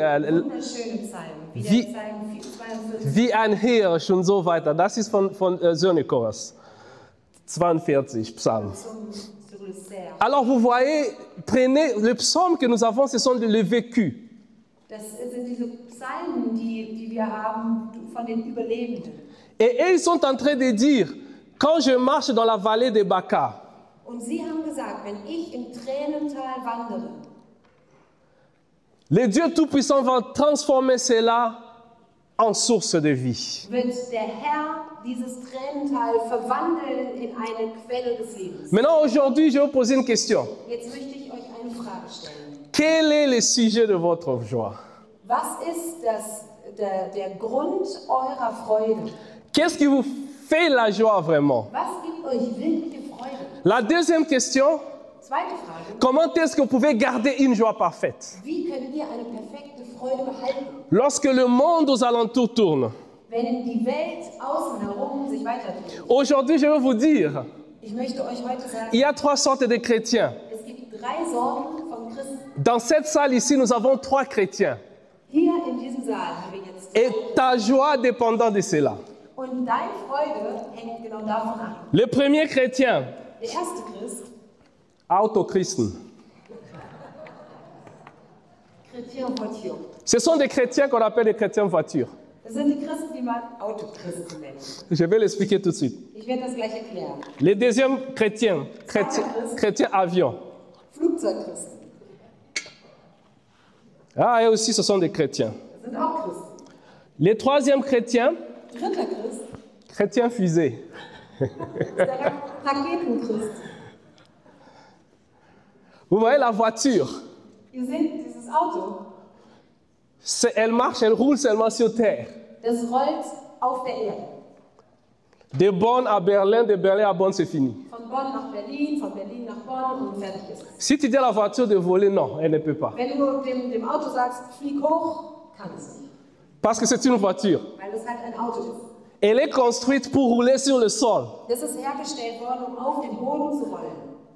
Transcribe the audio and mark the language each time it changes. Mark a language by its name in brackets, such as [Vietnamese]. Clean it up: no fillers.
[German] Wunderschöne Psalmen. Wie ein Hirsch und so weiter. Das ist von Söhne Korahs. 42 Psalm. [French] Alors vous voyez, prenez le psaume que nous avons, ce sont les vécus. [German] Das sind diese Psalmen, die wir haben von den Überlebenden. [French] Et ils sont en train de dire, quand je marche dans la vallée de Baca. [German] Und sie haben gesagt, wenn ich im Tränental wandere. [French] Le Dieu Tout-Puissant va transformer cela en source de vie. [German] Wird der Herr dieses Tränental verwandeln in eine Quelle des Lebens. [French] Maintenant, aujourd'hui, je vais vous poser une question. [German] Jetzt möchte ich euch eine Frage stellen. [French] Quel est le sujet de votre joie? [German] Was ist der Grund eurer Freude? [French] Qu'est-ce qui vous fait la joie vraiment? [German] Was gibt euch wirkliche Freude? [French] La deuxième question. [German] Zweite Frage. [French] Comment est-ce que vous pouvez garder une joie parfaite? [German] Wie könnt ihr eine perfekte Freude behalten? [French] Lorsque le monde aux alentours tourne. [German] Wenn die Welt außen herum sich weiter dreht. [French] Aujourd'hui, je veux vous dire. [German] Ich möchte euch heute sagen, [French] il y a trois sortes de chrétiens. [German] Es gibt drei Sorten von Christen. [French] Dans cette salle ici, nous avons trois chrétiens. [German] Hier in diesem Saal haben wir jetzt drei. [French] Et ta joie dépend de cela. [German] Und deine Freude hängt genau davon ab. [French] Le premier chrétien. [German] Der erste Christ. Auto-Christen. [French] Chrétien voiture. Ce sont des chrétiens qu'on appelle des chrétiens voiture. [German] Das sind die Christen, die man Auto-Christen nennt. [French] Je vais l'expliquer tout de suite. [German] Ich werde das gleich erklären. [French] Les deuxièmes chrétiens. Chrétiens avion. [German] Flugzeug-Christen. [French] Ah, et aussi ce sont des chrétiens. [German] Das sind auch Christen. [French] Les troisièmes chrétiens. [German] Dritter Christ. [French] Chrétien fusée. [German] Raketen-Christen. [French] Vous voyez la voiture. [German] Ihr seht dieses Auto. [French] Elle marche, elle roule seulement sur terre. [German] Das rollt auf der Erde. [French] De Bonn à Berlin, de Berlin à Bonn, c'est fini. [German] Von Bonn nach Berlin, von Berlin nach Bonn und fertig ist. [French] Si tu dis à la voiture de voler, non, elle ne peut pas. [German] Wenn du dem Auto sagst, flieg hoch, kannst du. [French] Parce que c'est une voiture. [German] Weil es halt ein Auto ist. [French] Elle est construite pour rouler sur le sol. [German] Das ist hergestellt worden, um auf den Boden zu rollen.